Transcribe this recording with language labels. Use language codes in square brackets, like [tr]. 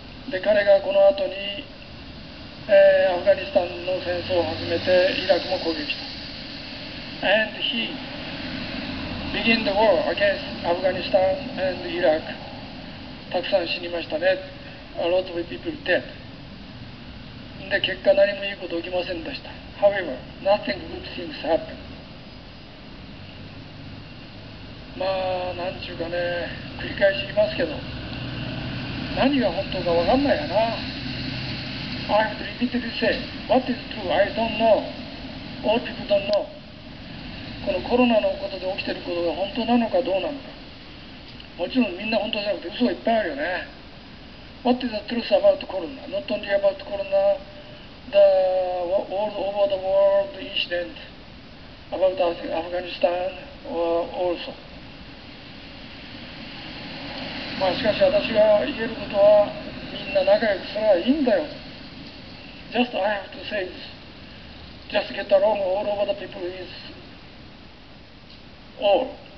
[ja] で、彼がこの後に、アフガニスタンの戦争を始めて、イラクも攻撃した。 [en] And he began the war against Afghanistan and Iraq. [ja] たくさん死にましたね。 [en] A lot of people dead. [ja] で、結果何もいいこと起きませんでした。 [en] However, nothing good things happened. [ja] まあ、なんちゅうかね、繰り返し言いますけど、何が本当か分かんないやな。 [en] I have to repeatedly say, what is true, I don't know. All people don't know. [ja] このコロナのことで起きてることが本当なのかどうなのか。もちろんみんな本当じゃなくて嘘がいっぱいあるよね。 [en] What is the truth about corona? Not only about corona, the all over the world incident about Afghanistan also. [ja] まあしかし私が言えることは、みんな仲良くすればいいんだよ。 [en] Just I have to say this. Just get along all over the people is all.